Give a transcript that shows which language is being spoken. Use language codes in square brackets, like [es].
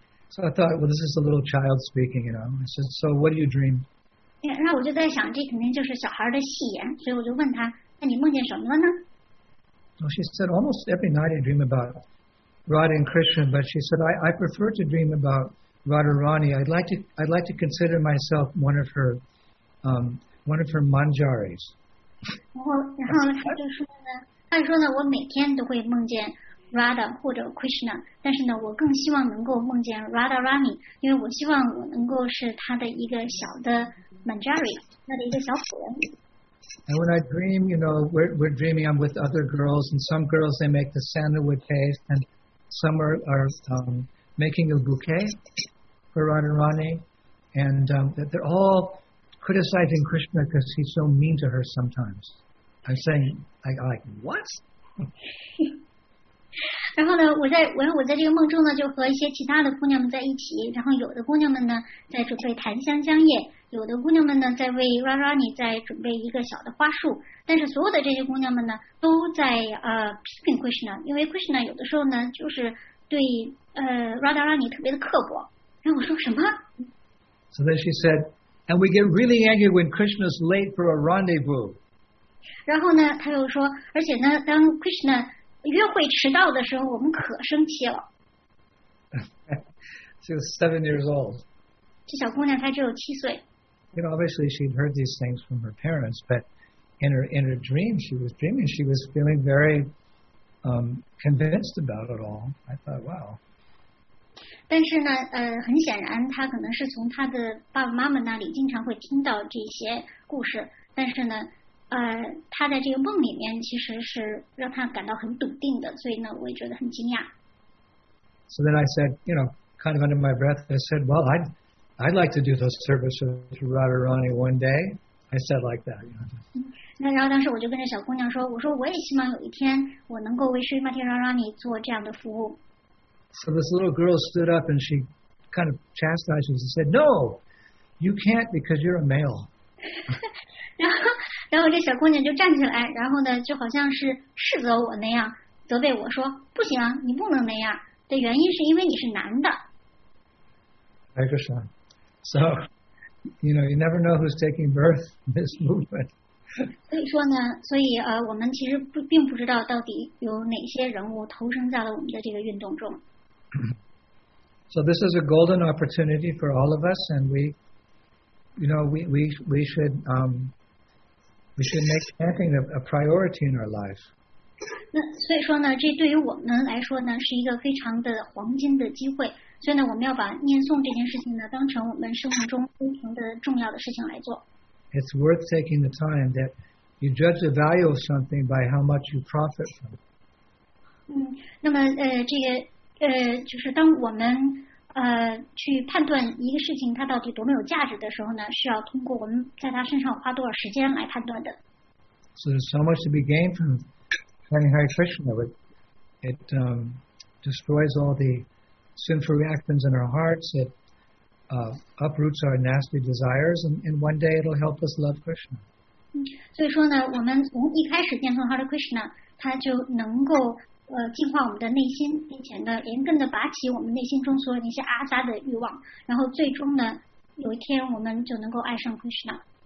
[en] So I thought, well, this is a little child speaking, you know. I said, so what do you dream? [zh] 然后我就在想，这肯定就是小孩的戏言，所以我就问他，那你梦见什么了呢？ [en] Well, she said, almost every night I dream about it. Radha and Krishna, but she said, I prefer to dream about Radharani. I'd like to consider myself one of her manjaris. [zh] 然后他就说呢，我每天都会梦见 Radha或者 Krishna，但是呢，我更希望能够梦见 Radharani，因为我希望我能够是他的一个小的 manjari，他的一个小仆人。 [en] And when I dream, you know, we're dreaming, I'm with other girls, and some girls, they make the sandalwood paste, and some are making a bouquet for Radharani, and that they're all criticizing Krishna because he's so mean to her sometimes. I'm saying, I'm like, what? [zh] 然后呢，我在这个梦中呢，就和一些其他的姑娘们在一起。然后有的姑娘们呢，在准备檀香香叶；有的姑娘们呢，在为 Rarani 在准备一个小的花束。但是所有的这些姑娘们呢，都在批评 Krishna， 因为 Krishna 有的时候呢，就是对Rarani 特别的刻薄。然后我说什么 [en] ？So then she said, and we get really angry when Krishna's late for a rendezvous. [zh] 然后呢，他又说，而且呢，当 Krishna约会迟到的时候，我们可生气了。 [en] She was 7 years old. [zh] 这小姑娘她只有七岁。 [en] You know, obviously she'd heard these things from her parents, but in her dream, she was dreaming. She was feeling very convinced about it all. I thought, wow. [zh] 但是呢，很显然，她可能是从她的爸爸妈妈那里经常会听到这些故事，但是呢。他在这个梦里面其实是让他感到很笃定的，所以呢，我也觉得很惊讶。 [en] So then I said, you know, kind of under my breath, I said, well, I'd like to do the service with Radharani one day. I said like that. You know. [zh] 那然后当时我就跟着小姑娘说，我说我也希望有一天我能够为 Srimati Radharani 做这样的服务。 [en] So this little girl stood up and she kind of chastised us and said, no, you can't because you're a male. [zh] 然后这小姑娘就站起来，然后呢，就好像是斥责我那样，责备我说：“不行啊，你不能那样。” 的原因是因为你是男的。 [en] Hare Krishna. So, you know, you never know who's taking birth in this movement. [zh] 所以说呢，所以我们其实并不知道到底有哪些人物投身在了我们的这个运动中。 [en] So this is a golden opportunity for all of us, and we, you know, we should We should make chanting a priority in our life. [zh] 那所以说呢，这对于我们来说呢，是一个非常的黄金的机会。所以呢，我们要把念诵这件事情呢，当成我们生活中非常的重要的事情来做。 [en] It's worth taking the time that you judge the value of something by how much you profit from it. [zh] 那么这个就是当我们去判断一个事情它到底多么有价值的时候呢，是要通过我们在它身上花多少时间来判断的。 [en] So there's so much to be gained from chanting Hare Krishna, but it destroys all the sinful reactions in our hearts. It uproots our nasty desires, and one day it'll help us love Krishna. [zh] 所以说呢，我们从一开始念诵 Hare Krishna， 它就能够净化我们的内心，并且呢，连根的拔起我们内心中所有那些阿杂的欲望，然后最终呢，有一天我们就能够爱上 Krishna。